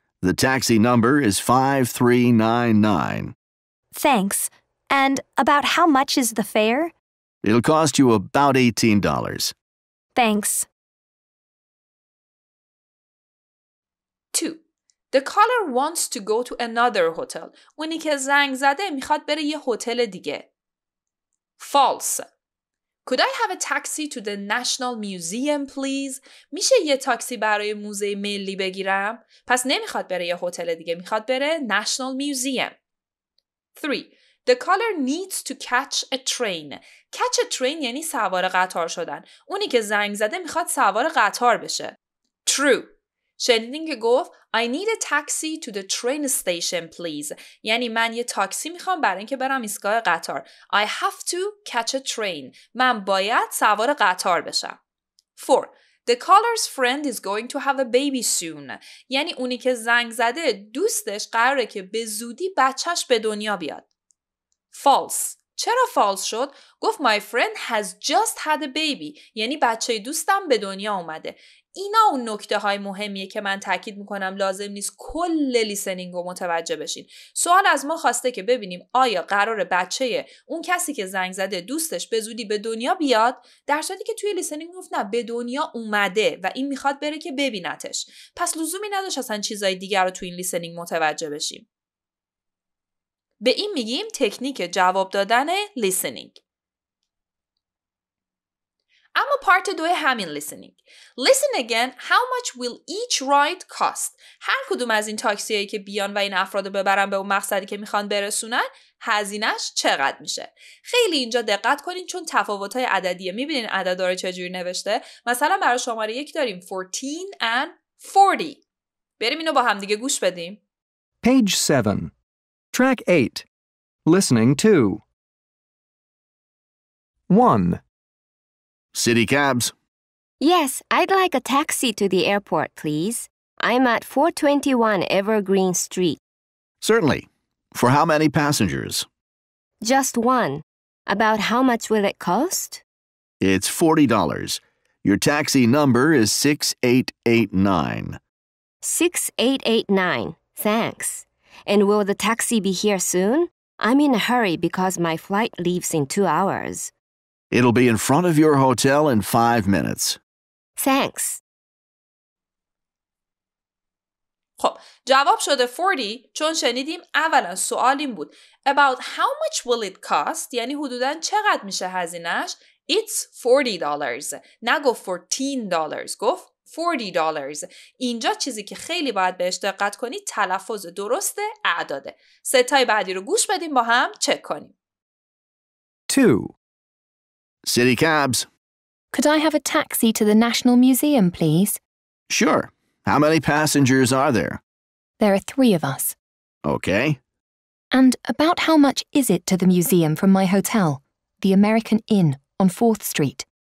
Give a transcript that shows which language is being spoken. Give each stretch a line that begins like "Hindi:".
English: The taxi number is 5399. Thanks. And about how much is the fare? It'll cost you about $18. Thanks. 2. The caller wants to go to another hotel.
Persian: اونی که زنگ زده میخواد بره یه هتل دیگه. False.
English: Could I have a taxi to the National Museum, please?
Persian: میشه یه تاکسی برای موزه ملی بگیرم؟ پس نمیخواد بره یه هتل دیگه، میخواد بره National Museum.
English: 3. The caller needs to catch a train. Catch a train
Persian: یعنی سوار قطار شدن. اونی که زنگ زده میخواد سوار قطار بشه.
English: True.
Persian: شنیدین که گفت
English: I need a taxi to the train station, please.
Persian: یعنی من یه تاکسی میخوام برای اینکه برم ایستگاه قطار.
English: I have to catch a train.
Persian: من باید سوار قطار بشم.
English: 4. The caller's friend is going to have a baby soon.
Persian: یعنی اونی که زنگ زده دوستش قراره که به زودی بچهش به دنیا بیاد.
English: False.
Persian: چرا false شد؟ گفت
English: My friend has just had a baby.
Persian: یعنی بچه دوستم به دنیا اومده. اینا اون نکته های مهمیه که من تاکید میکنم لازم نیست کل لیسنینگ رو متوجه بشین. سوال از ما خواسته که ببینیم آیا قرار بچه اون کسی که زنگ زده دوستش به زودی به دنیا بیاد، در صورتی که توی لیسنینگ گفت نه به دنیا اومده و این میخواد بره که ببینتش. پس لزومی نداشت اصلا چیزای دیگر رو توی این لیسنینگ متوجه بشیم. به این میگیم تکنیک جواب دادن لیسنینگ. اما پارت دو همین لیسنینگ.
English: Listen again, how much will each ride cost?
Persian: هر کدوم از این تاکسیایی که بیان و این افراد رو ببرن به اون مقصدی که میخوان برسونن، هزینه‌اش چقدر میشه؟ خیلی اینجا دقت کنین چون تفاوت‌های عددیه. میبینین عددا رو چجوری نوشته؟ مثلا برای شماره یک داریم 14 and 40. بریم اینو با هم دیگه گوش بدیم.
English: Page 7. Track 8. Listening 2. 1. City cabs. Yes, I'd like a taxi to the airport, please. I'm at 421 Evergreen Street. Certainly. For how many passengers? Just one. About how much will it cost? It's $40. Your taxi number is 6889. 6889. Thanks. And will the taxi be here soon? I'm in a hurry because my flight leaves in 2 hours. It'll be in front of your hotel in 5 minutes. Thanks.
Persian: خب، جواب شده 40 چون شنیدیم اولا سوال این بود.
English: About how much will it cost؟
Persian: یعنی حدوداً چقدر میشه هزینه‌اش؟
English: It's $40.
Persian: نگفت $14، گفت $40. اینجا چیزی که خیلی باید بهش دقت کنید تلفظ درست اعداده. ستای بعدی رو گوش بدیم با هم چک کنیم.
English: 2. City cabs. Could I have a taxi to the National Museum, please? Sure. How many passengers are there? There are 3 of us. Okay. And about how much is it to the museum from my hotel, the American Inn on 4th Street?